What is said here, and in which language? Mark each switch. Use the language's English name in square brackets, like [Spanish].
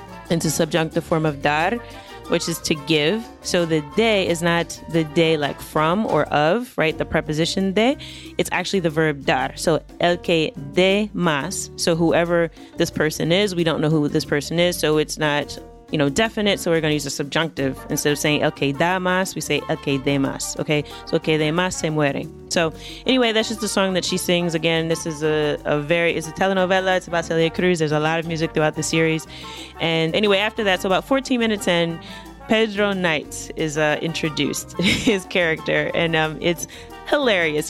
[English] It's a subjunctive form of dar, which is to give. So the de is not the de like from or of, right? The preposition de, it's actually the verb dar. So [Spanish] el que de más. [English] So whoever this person is, we don't know who this person is. So it's not you know, definite, so we're going to use a subjunctive. Instead of saying [Spanish] el que da más, [English] we say [Spanish] el que de más. [English] Okay, so [Spanish] el que de más se muere. [English] So anyway, that's just the song that she sings. Again, this is it's a telenovela. It's about Celia Cruz. There's a lot of music throughout the series. And anyway, after that, so about 14 minutes in, Pedro Knight is introduced, his character, and it's hilarious.